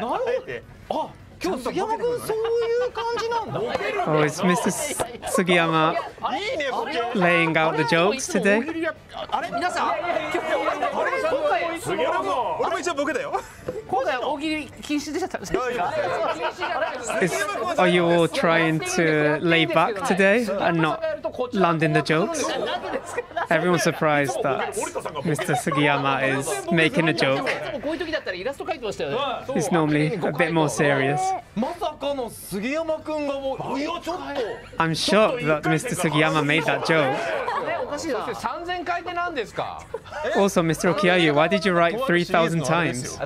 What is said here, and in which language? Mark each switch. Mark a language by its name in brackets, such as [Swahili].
[Japanese] なるほど、はい、あ今日杉山くんそういう感じなんだ。 [English] Oh, it's Mr. Sugiyama laying out the jokes today. [Japanese] あれ皆さん、あれ今回杉山くん、俺も一応ボケだよ。今回大喜利禁止でしたね。 [English] Are you all trying to lay back today and not landing the jokes? Everyone's surprised that Mr. Sugiyama is making a joke. [Japanese] こういう時だったらイラスト描いてましたよね。 [English] It's normally a bit more serious. [Japanese] まさかの杉山くんがもういやちょっと [English] I'm shocked that Mr. Sugiyama made that joke. [Japanese] おかしいな。三千回って何ですか？ [English] Also, Mr. Okiayu, why did you write 3,000 times?